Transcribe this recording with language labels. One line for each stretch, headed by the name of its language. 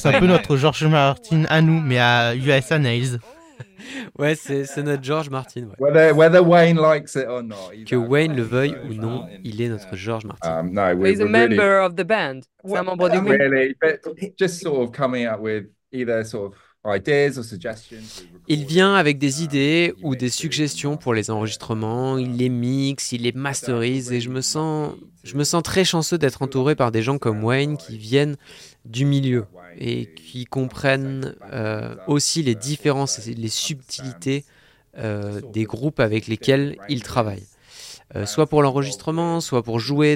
French: C'est un peu notre George Martin à nous, mais à USA Nails. Ouais, c'est notre George Martin. Ouais.
English: Whether Wayne likes it or not,
French: que Wayne le veuille ou non, il est notre George Martin.
English: No, he's a member of the band. Well,
French: c'est un membre du groupe.
English: Really, but just sort of coming up with either sort of ideas or suggestions.
French: Il vient avec des idées ou des suggestions pour les enregistrements. Il les mixe, il les masterise, et je me sens très chanceux d'être entouré par des gens comme Wayne qui viennent du milieu et qui comprennent aussi les différences et les subtilités des groupes avec lesquels il travaille, soit pour l'enregistrement, soit pour jouer.